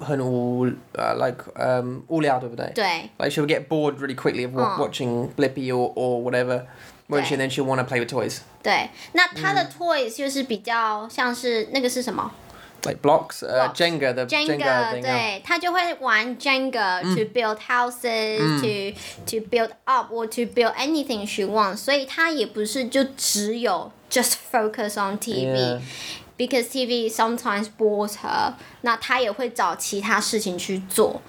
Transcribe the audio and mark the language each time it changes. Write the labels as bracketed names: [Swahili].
[Chinese] 她会变很无聊，对不对？对。 [English] Like, she'll get bored really quickly of watching Blippi or whatever, won't she? And then she'll want to play with toys. [Chinese] 对，那她的toys就是比较像是那个是什么？ [English] Like blocks, Jenga, the Jenga thing. [Chinese] 她就会玩 [English] Jenga to build houses, to build up or to build anything she wants. [Chinese] 所以她也不是就只有 [English] just focus on TV, because TV sometimes bores her. [Chinese] 那她也会找其他事情去做.